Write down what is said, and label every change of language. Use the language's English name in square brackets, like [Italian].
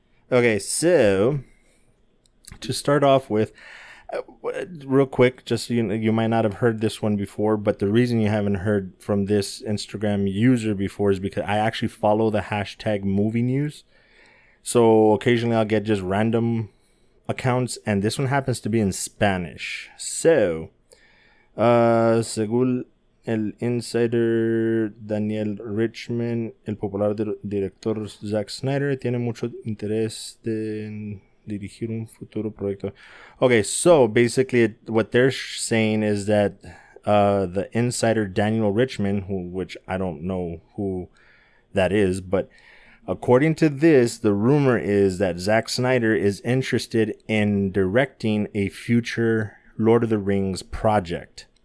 [English] Okay, so to start off with, real quick, just so you know, you might not have heard this one before, but the reason you haven't heard from this Instagram user before is because I actually follow the hashtag movie news. So occasionally I'll get just random accounts, and this one happens to be in Spanish. So, [Spanish] según El Insider, Daniel Richman, el popular director Zack Snyder tiene mucho interés en dirigir un futuro proyecto. [English] Okay, so basically what they're saying is that the insider Daniel Richman, which I don't know who that is, but according to this, the rumor is that Zack Snyder is interested in directing a future Lord of the Rings project.